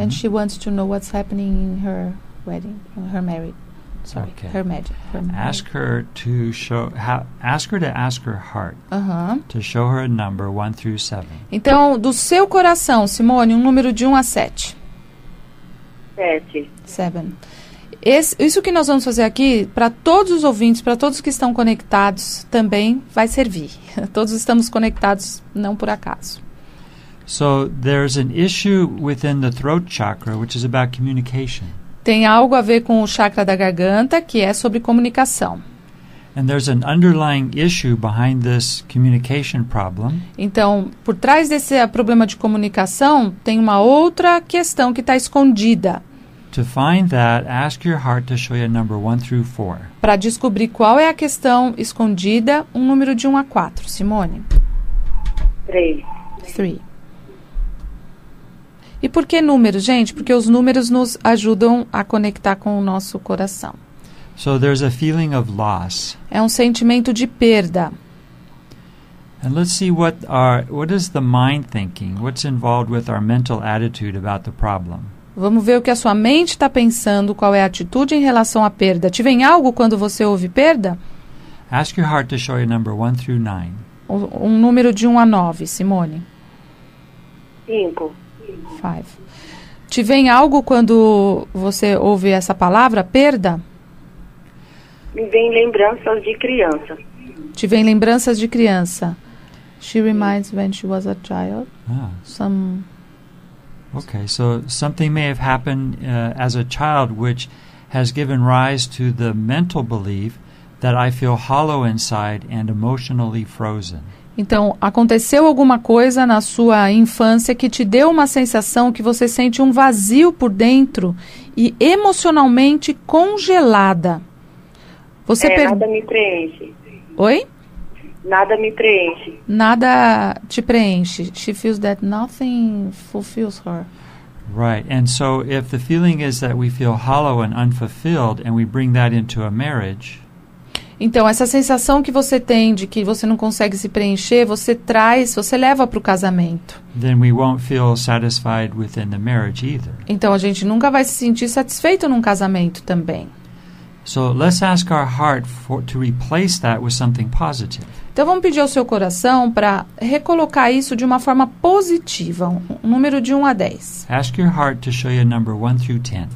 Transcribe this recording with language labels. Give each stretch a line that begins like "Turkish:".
English: And she wants to know what's happening in her wedding, her marriage. Sorry, okay. Her marriage. Ask her to show. Ask her to ask her heart. Uh-huh. To show her a number 1 through 7.
Portuguese: Então, do seu coração, Simone, um número de 1 a 7. 7. 7. Isso que nós vamos fazer aqui, para todos os ouvintes, para todos que estão conectados, também vai servir. Todos estamos conectados, não por acaso.
English: So, there's an issue within the throat chakra, which is about communication.
Portuguese: Tem algo a ver com o chakra da garganta, que é sobre comunicação.
English: And there's an underlying issue behind this communication problem.
Portuguese: Então, por trás desse problema de comunicação, tem uma outra questão que está escondida.
English: To find that, ask your heart to show you a number 1 through 4.
Portuguese: Para descobrir qual é a questão escondida, um número de 1 a 4, Simone. 3. E por que números, gente? Porque os números nos ajudam a conectar com o nosso coração.
English: So there's a feeling of loss.
Portuguese: É um sentimento de perda.
English: And let's see what is the mind thinking? What's involved with our mental attitude about the problem?
Portuguese: Vamos ver o que a sua mente está pensando, qual é a atitude em relação à perda. Te vem algo quando você ouve perda?
English: Ask your heart to show you number 1 through 9.
Portuguese: Um número de 1 a 9, Simone. 5. 5. Te vem algo quando você ouve essa palavra, perda? Me vem lembranças de criança. Te vem lembranças de criança.
English: She reminds when she was a child. Okay, so something may have happened as a child which has given rise to the mental belief that I feel hollow inside and emotionally frozen.
Portuguese: Então, aconteceu alguma coisa na sua infância que te deu uma sensação que você sente um vazio por dentro e emocionalmente congelada. Você nada me preenche. Oi? Nada me preenche. Nada te preenche.
English: She feels that nothing fulfills her. Right. And so if the feeling is that we feel hollow and unfulfilled and we bring that into a marriage.
Portuguese: Então, essa sensação que você tem de que você não consegue se preencher, você leva para o casamento.
English: Then we won't feel satisfied within the marriage either.
Portuguese: Então, a gente nunca vai se sentir satisfeito num casamento também.
English: So let's ask our heart for, to replace that with something positive.
Portuguese: Então vamos pedir ao seu coração para recolocar isso de uma forma positiva, um número de 1 a 10.
English: Ask your heart to show you a number 1 through 10.